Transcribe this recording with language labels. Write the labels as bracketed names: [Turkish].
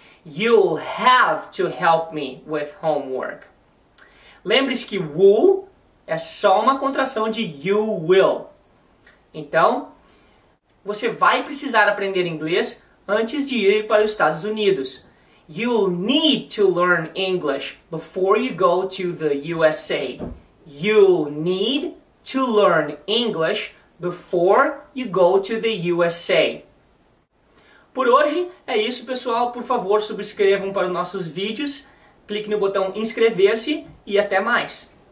[English] You'll have to help me with homework. [Portuguese] Lembre-se que will é só uma contração de you will. Então, você vai precisar aprender inglês antes de ir para os Estados Unidos. [English] You'll need to learn English before you go to the USA. You'll need to learn English before you go to the USA. [Portuguese] Por hoje é isso, pessoal. Por favor, subscrevam para os nossos vídeos. Clique no botão inscrever-se e até mais.